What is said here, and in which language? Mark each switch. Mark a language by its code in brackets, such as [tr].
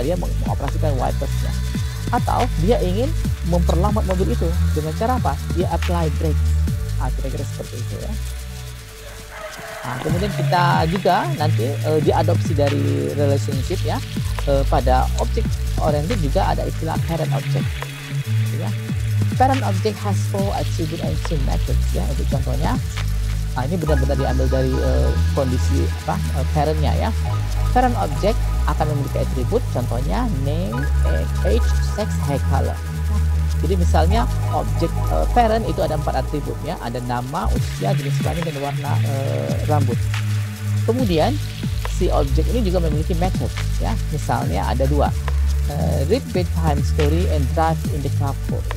[id] Dia mengoperasikan wipers-nya. Atau dia ingin memperlambat mobil itu dengan cara apa? Dia [en] apply brakes. [id] Nah, kira-kira seperti itu ya. Nah, kemudian kita juga nanti diadopsi dari relationship ya, pada object oriented juga ada istilah parent object. Ya. [en] Parent object has four attributes and two methods [id] ya. Untuk contohnya, nah, ini benar-benar diambil dari kondisi apa parentnya ya. Parent object akan memiliki attribute, contohnya [en] name, age, sex, hair color. [id] Jadi misalnya objek parent itu ada 4 atribut ya, ada nama, usia, jenis kelamin dan warna rambut. Kemudian si objek ini juga memiliki method ya. Misalnya ada 2. [en] Read bedtime story and drive in the carport.